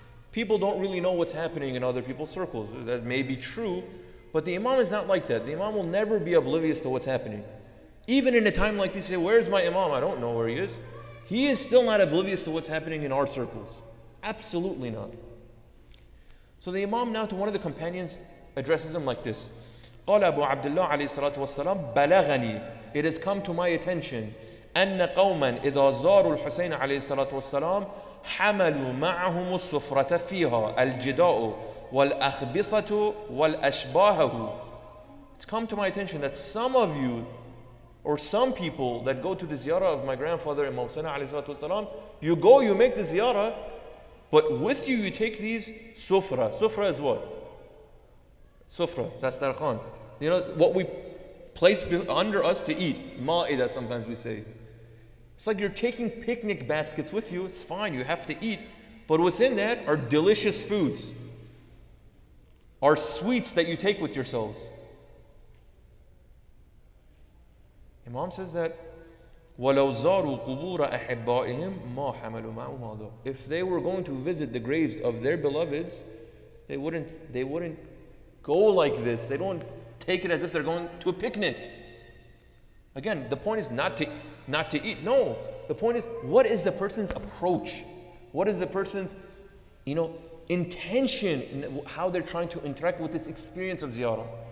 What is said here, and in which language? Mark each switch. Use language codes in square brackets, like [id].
[en] People don't really know what's happening in other people's circles. That may be true, but the imam is not like that. The imam will never be oblivious to what's happening. Even in a time like this, you say, where's my imam? I don't know where he is. He is still not oblivious to what's happening in our circles. Absolutely not. So the imam now to one of the companions addresses him like this. [ar] قال أبو عبد الله عليه الصلاة والسلام بلغني. [en] It has come to my attention. [ar] أن قوما إذا زاروا الحسين عليه الصلاة والسلام حملوا معهم الصفرة فيها الجداء والأخبصة والأشباه. [en] It's come to my attention that some of you or some people that go to the ziyarah of my grandfather Imam Hussein alayhi salatu wasalam, you go, you make the ziyarah, but with you, you take these sufra. Sufra is what? Sufra, that's dastarkhan. What we place under us to eat. Ma'ida, sometimes we say. It's like you're taking picnic baskets with you. It's fine, you have to eat. But within that are delicious foods, are sweets that you take with yourselves. Imam says that, [ar] وَلَوْ زَارُوا قُبُورَ أَحِبَّائِهِمْ مَا حَمَلُوا مَعُوا مَعُوا. [en] If they were going to visit the graves of their beloveds, they wouldn't go like this. They don't take it as if they're going to a picnic. Again, the point is not to eat. No, the point is, what is the person's approach? What is the person's, intention in how they're trying to interact with this experience of ziyarah?